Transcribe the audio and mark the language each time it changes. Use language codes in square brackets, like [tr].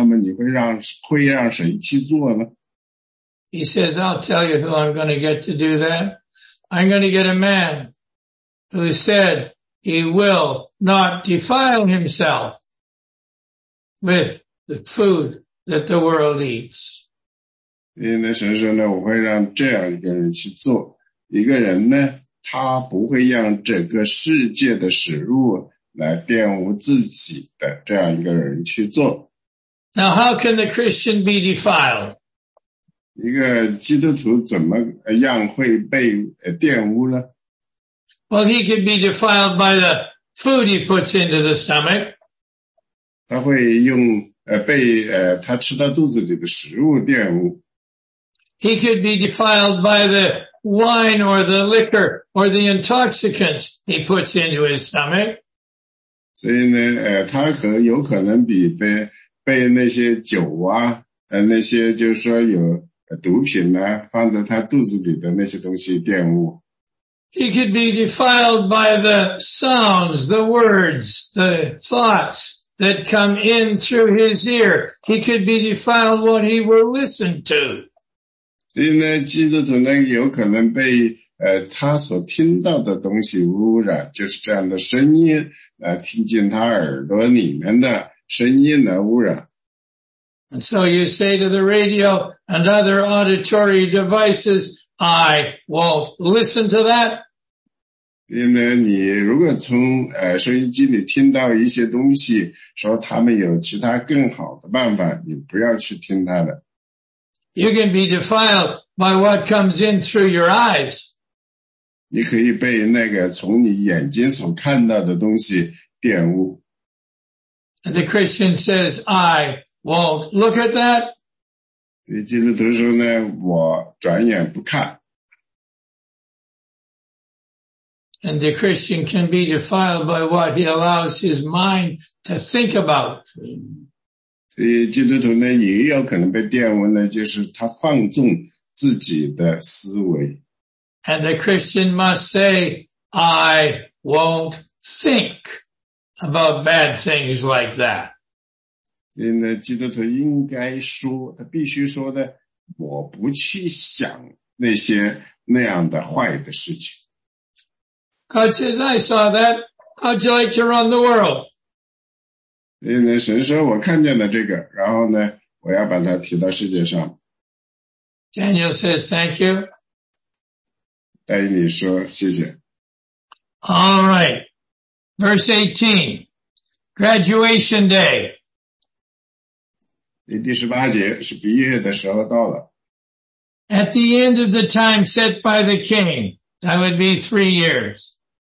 [zh] 所以呢，这个问题是，如果这个工作有这么重要的话，那么你会让谁去做呢？ [en] He says, I'll tell you who I'm going to get to do that. I'm going to get a man who said he will not defile himself with the food that the world eats. [zh] 因为神说呢，我会让这样一个人去做，一个人呢，他不会让这个世界的食物来玷污自己的这样一个人去做。Now, [en] how can the Christian be defiled? [zh] 一个基督徒怎么样会被玷污呢？ [en] Well, he could be defiled by the food he puts into the stomach. [zh] 他会被他吃到肚子里的食物玷污。 [en] He could be defiled by the wine or the liquor or the intoxicants he puts into his stomach. [zh] 所以呢，他可有可能比被那些酒啊，那些就是说有毒品呢、啊，放在他肚子里的那些东西玷污。 [en] He could be defiled by the sounds, the words, the thoughts that come in through his ear. He could be defiled what he will listen to. [zh] 所以呢，基督徒呢，有可能被他所听到的东西污染，就是这样的声音听进他耳朵里面的声音来污染。 [en] And so you say to the radio and other auditory devices, I won't listen to that. [zh] 所以呢，你如果从收音机里听到一些东西，说他们有其他更好的办法，你不要去听他的。 [en] You can be defiled by what comes in through your eyes. [zh] 你可以被那个从你眼睛所看到的东西玷污。 [en] And the Christian says, I won't look at that. [zh] 所以基督徒说呢，我转眼不看。 [en] And the Christian can be defiled by what he allows his mind to think about. [zh] 所以基督徒呢，也有可能被玷污呢，就是他放纵自己的思维。 [en] And the Christian must say, I won't think about bad things like that. [zh] 所以呢，基督徒应该说，他必须说的，我不去想那些那样的坏的事情。 [en] God says, I saw that. How'd you like to run the world? [zh] 所以呢，神说我看见了这个，然后呢，我要把它提到世界上。 [en] Daniel says, thank you. [zh] 但你说谢谢。 [en] All right. Verse 18. Graduation day. [zh] 第十八节是毕业的时候到了。 [en] At the end of the time set by the king, that would be 3 years.